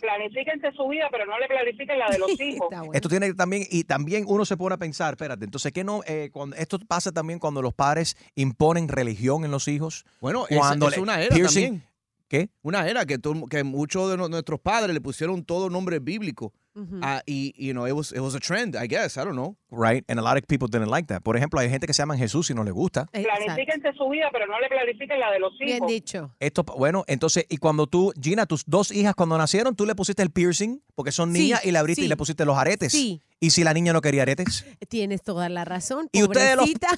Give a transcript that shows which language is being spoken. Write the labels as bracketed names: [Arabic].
[Spanish] Planifíquense su vida, pero no le planifiquen la de los hijos. Esto tiene también, y también uno se pone a pensar, espérate, entonces, ¿qué no? Esto pasa también cuando los padres imponen religión en los hijos. Bueno, es una era piercing, también. ¿Qué? Una era que muchos de nuestros padres le pusieron todo nombre bíblico. Uh-huh. [English] Y, you know, it was a trend, I guess, I don't know. Right, and a lot of people didn't like that. [Spanish] Por ejemplo, hay gente que se llama Jesús y no le gusta. Planifíquense su vida, pero no le planifiquen la de los hijos. Bien dicho. Esto, bueno, entonces, y cuando tú, Gina, tus dos hijas cuando nacieron, tú le pusiste el piercing, porque son niñas, y le abriste y le pusiste los aretes. Sí. ¿Y si la niña no quería aretes? Tienes toda la razón, pobrecita.